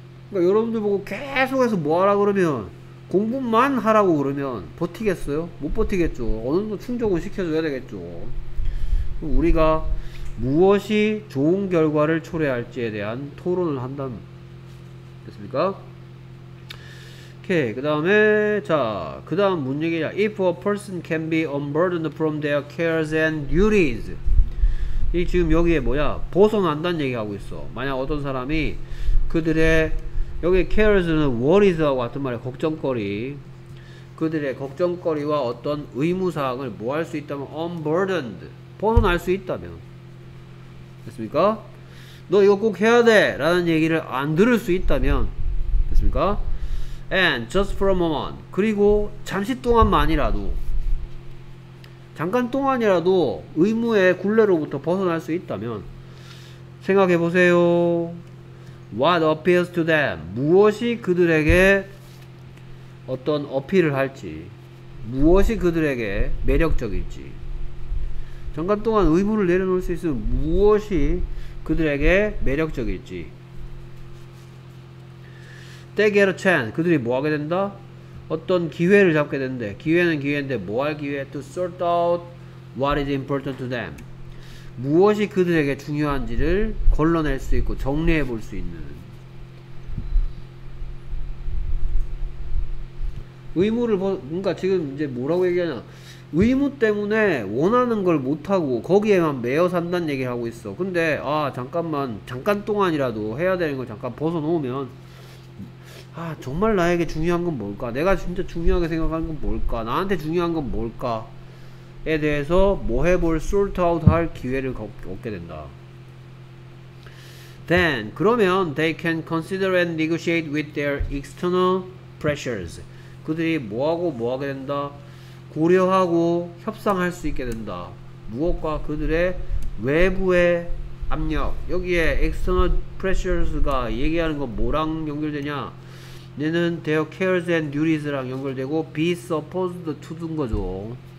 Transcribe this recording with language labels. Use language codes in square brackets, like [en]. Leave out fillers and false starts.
[ko] 그러니까 여러분들 보고 계속해서 뭐 하라 그러면, 공부만 하라고 그러면 버티겠어요? 못 버티겠죠. 어느 정도 충족은 시켜줘야 되겠죠. 그럼 우리가 무엇이 좋은 결과를 초래할지에 대한 토론을 한다면, 됐습니까? 오케이. 그 다음에 자, 그 다음 문 얘기냐. [en] If a person can be unburdened from their cares and duties. [ko] 이 지금 여기에 뭐야, 벗어난다는 얘기하고 있어. 만약 어떤 사람이 그들의, 여기 cares는 worries와 같은 말이야. 걱정거리. 그들의 걱정거리와 어떤 의무사항을 뭐 할 수 있다면, unburdened, 벗어날 수 있다면. 됐습니까? 너 이거 꼭 해야 돼 라는 얘기를 안 들을 수 있다면. 됐습니까? [en] And just for a moment. [ko] 그리고 잠시 동안만이라도, 잠깐 동안이라도 의무의 굴레로부터 벗어날 수 있다면, 생각해 보세요. [en] What appeals to them? [ko] 무엇이 그들에게 어떤 어필을 할지, 무엇이 그들에게 매력적일지. 잠깐 동안 의무를 내려놓을 수 있으면 무엇이 그들에게 매력적일지. [en] They get a chance. [ko] 그들이 뭐 하게 된다? 어떤 기회를 잡게 된대. 기회는 기회인데 뭐 할 기회? [en] To sort out what is important to them. [ko] 무엇이 그들에게 중요한지를 걸러낼 수 있고 정리해 볼 수 있는. 의무를, 그러니까 지금 이제 뭐라고 얘기하냐, 의무 때문에 원하는 걸 못하고 거기에만 매여 산다는 얘기를 하고 있어. 근데 아, 잠깐만, 잠깐 동안이라도 해야 되는 걸 잠깐 벗어놓으면, 아, 정말 나에게 중요한 건 뭘까? 내가 진짜 중요하게 생각하는 건 뭘까? 나한테 중요한 건 뭘까? 에 대해서 뭐 해볼, sort out 할 기회를 얻게 된다. [en] Then, [ko] 그러면 [en] they can consider and negotiate with their external pressures. [ko] 그들이 뭐하고 뭐하게 된다? 고려하고 협상할 수 있게 된다. 무엇과? 그들의 외부의 압력. 여기에 external pressures가 얘기하는 건 뭐랑 연결되냐? 얘는 [en] their cares and duties [ko] 랑 연결되고 be supposed to 둔 거죠.